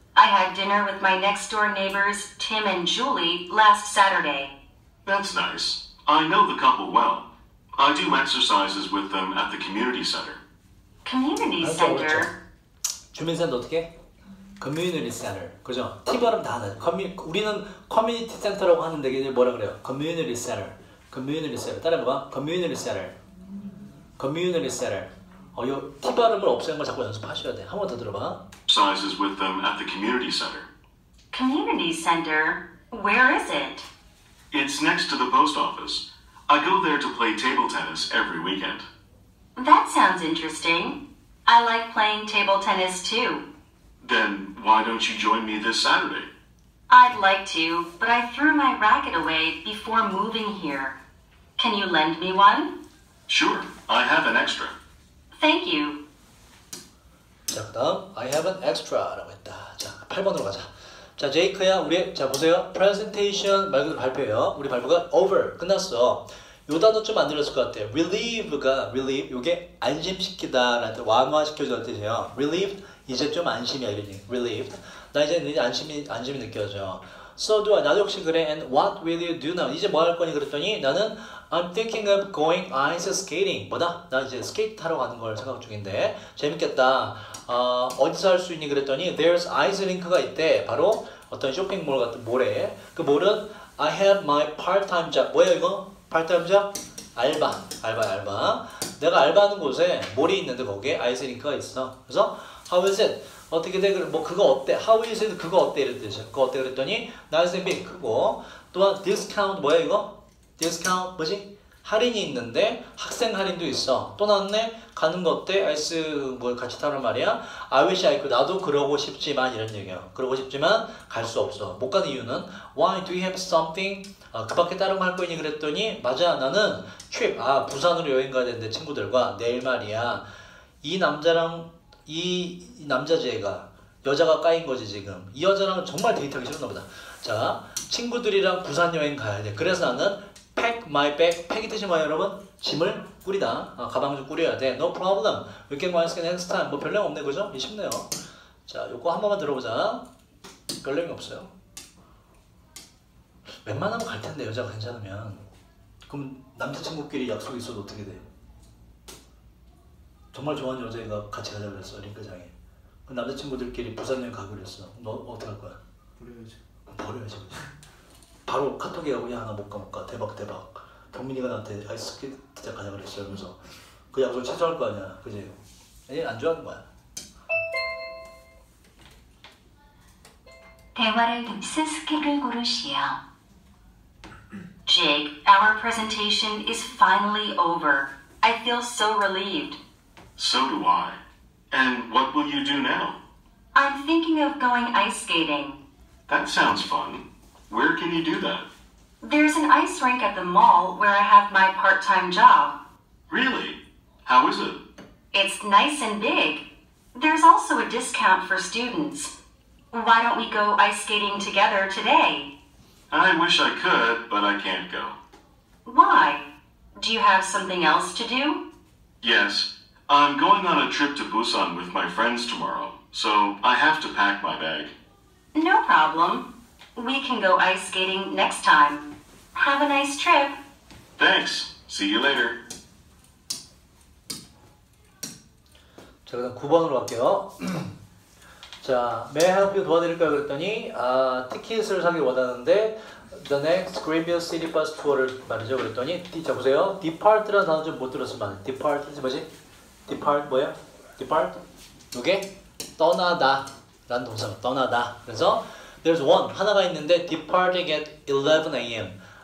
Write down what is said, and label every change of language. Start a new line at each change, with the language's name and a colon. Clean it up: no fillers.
English: I had dinner with my next-door neighbors, Tim and Julie, last Saturday. That's nice. I know the couple well. I do exercises with them at the community center. Community center?
Korean: 주민센터 어떻게?
English: Community center,
Korean: 그죠? 티바람 다 하는 우리는 커뮤니티 센터라고 하는데 이게 뭐라 그래요?
English: Community center, community center.
Korean: 따라해봐.
English: Community center, community center.
Korean: 요 티바람을 없애는 걸 자꾸 연습하셔야 돼. 한 번 더 들어봐.
English: Exercises with them at the community center. Community center, where is it? It's next to the post office. I go there to play table tennis every weekend. That sounds interesting. I like playing table tennis too. Then why don't you join me this Saturday? I'd like to, but I threw my racket away before moving here. Can you lend me one? Sure, I have an extra. Thank you.
Korean: 자, 그다음
English: I have an extra
Korean: 라고 했다. 자, 8번으로 가자. 자, 제이크야, 우리 자 보세요. Presentation 말 그대로 발표예요. 우리 발표가 over 끝났어. 요 단어 좀 안 들렸을 것 같아요. Relieve가 relieve 요게 안심시키다라는 완화시켜주는 뜻이에요.
English: Relieve.
Korean: 이제 좀 안심이야, 이러니. Relieved. 나 이제 안심이 느껴져.
English: So do I.
Korean: 나도 역시 그래.
English: And what will you do now?
Korean: 이제 뭐 할 거니? 그랬더니 나는
English: I'm thinking of going ice skating.
Korean: 뭐다? 나 이제 스케이트 타러 가는 걸 생각 중인데. 재밌겠다. 어디서 할 수 있니? 그랬더니
English: There's ice rink
Korean: 가 있대. 바로 어떤 쇼핑몰 같은 몰에. 그 몰은
English: I have my part-time job.
Korean: 뭐야 이거?
English: Part-time job?
Korean: 알바. 알바. 내가 알바하는 곳에 몰이 있는데 거기에 ice rink가 있어. 그래서
English: How is it?
Korean: 어떻게 돼? 뭐 그거 어때?
English: How is it?
Korean: 그거 어때? 이런 뜻이야. 그거 어때? 그랬더니
English: nice and big
Korean: 크고 또한 discount 뭐야 이거? discount 뭐지? 할인이 있는데 학생 할인도 있어. 또 났네? 가는 거 어때? 아이스 뭐 같이 타는 말이야?
English: I wish I could.
Korean: 나도 그러고 싶지만 이런 얘기야. 그러고 싶지만 갈 수 없어. 못 가는 이유는
English: Why do you have something?
Korean: 그 밖에 다른 거 할 거니? 그랬더니 맞아 나는 trip. 아 부산으로 여행 가야 되는데 친구들과 내일 말이야. 이 남자랑 이 남자제가 여자가 까인 거지 지금 이 여자랑 정말 데이트하기 싫었나 보다. 자 친구들이랑 부산 여행 가야 돼. 그래서 나는
English: pack my bag.
Korean: pack이 뜻이 뭐예요 여러분? 짐을 꾸리다. 아, 가방 좀 꾸려야 돼.
English: no problem. we can go and scan next time.
Korean: 뭐 별명 없네 그죠? 쉽네요. 자 요거 한 번만 들어보자. 별명이 없어요. 웬만하면 갈 텐데 여자가 괜찮으면. 그럼 남자친구끼리 약속 있어도 어떻게 돼? 정말 좋아하는 여자애가 같이 가자고 그랬어, 링크장에. 그 남자친구들끼리 부산 여행 가기로 했어. 너 어떻게 할 거야? 버려야지. 버려야지. 그치? 바로 카톡에 하고 야 나 못 가. 대박. 경민이가 나한테 아이스크림 가자고 그랬어. 그러면서 그 약속을 취소할 거 아니야. 그지? 애 안 좋아하는 거야. 대화를 듣는 스킬을 고르시오.
English: Jake, our presentation is finally over. I feel so relieved. So do I. And what will you do now? I'm thinking of going ice skating. That sounds fun. Where can you do that? There's an ice rink at the mall where I have my part-time job. Really? How is it? It's nice and big. There's also a discount for students. Why don't we go ice skating together today? I wish I could, but I can't go. Why? Do you have something else to do? Yes. I'm going on a trip to Busan with my friends tomorrow, so I have to pack my bag. No problem. We can go ice skating next time. Have a nice trip. Thanks. See you later.
Korean: 자, 그럼 9번으로 갈게요.
English: 자, may I help you
Korean: 도와드릴까요? 그랬더니 티켓을 사길 원하는데
English: The next Caribbean City Bus Tour
Korean: 를 말이죠. 그랬더니 자, 보세요. Depart라는 단어 좀 못 들었으면 안 돼.
English: Depart, 뭐지? Depart 뭐야? Depart?
Korean: 이게 떠나다 라는 동사로 떠나다. 그래서 There's one 하나가 있는데
English: Depart at 11 a.m.